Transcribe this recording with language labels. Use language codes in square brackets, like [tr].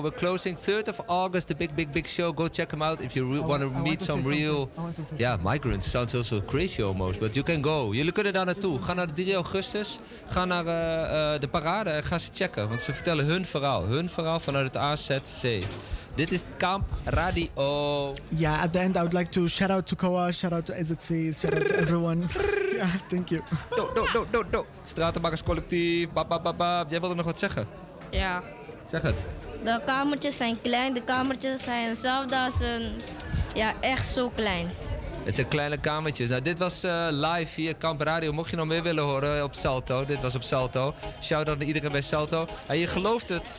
[en] We're closing 3rd of August, the big show. Go check them out if you want to meet some real migrants. Sounds also crazy almost, but you can go. [nl] Jullie kunnen daar naartoe. Ga naar 3 augustus. Ga naar de parade en ga ze checken. Want ze vertellen hun verhaal. Hun verhaal vanuit het AZC. Dit is Camp Radio. [en] Yeah, at the end I would like to shout out to Koa, shout out to AZC, shout out to everyone. Yeah, thank you. No. [nl] Stratenmakers collectief, jij wilde nog wat zeggen? Ja. Zeg het. De kamertjes zijn klein, de kamertjes zijn hetzelfde als een... Ja, echt zo klein. Het zijn kleine kamertjes. Nou, dit was live via Camp Radio. Mocht je nog meer willen horen op Salto. Dit was op Salto. Shout out naar iedereen bij Salto. En je gelooft het.